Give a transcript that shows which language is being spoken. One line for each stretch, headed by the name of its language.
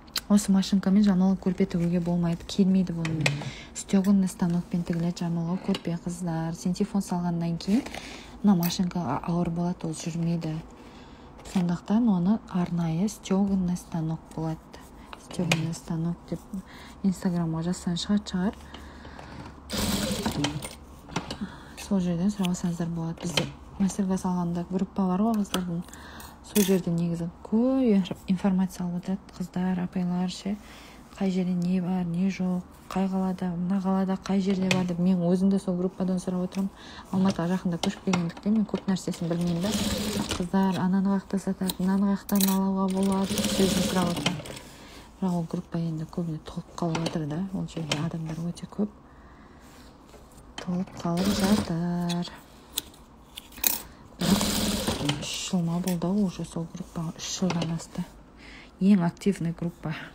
Kazakh: Осы машинкамен жамылғы көрпе тігуге болмайды, келмейді бұнымен. Стегінный станокпен тігіледі жамылғы көрпе қыздар. Синтифон салғаннан кейін мына машинка ауыр болады, ол жүрмейді. Сондықтан оны арнайы стегінный станок болады.
Kyrgyz: актерный станок деп инстаграмга жазсаң чыгат чыгар. Сол жерден сурасаңдар болот. Бизде мастерга салганда группа бар го кыздардын. Сол жерден негизи көп информация алып отурат кыздар, апайларчы. Кай жерде не бар, не жок, кай калада, мына калада кай жерде бар деп мен өзүм да сол группадан сурап отурам. Алматыга жакында көчүп келгендиктен мен көп нерсесин билмейм да. Кыздар ананы какта сатат, мынаны какта алууга болот, сөзүн сурап отурам. Бирок ал группа энди көбүнө толуп калып атыр да. Ал жерде адамдар өтө көп. Толуп калып жатыр. Үч жыл ма болду ал уже сол группа, үч жылдан асты. Эң активный группа.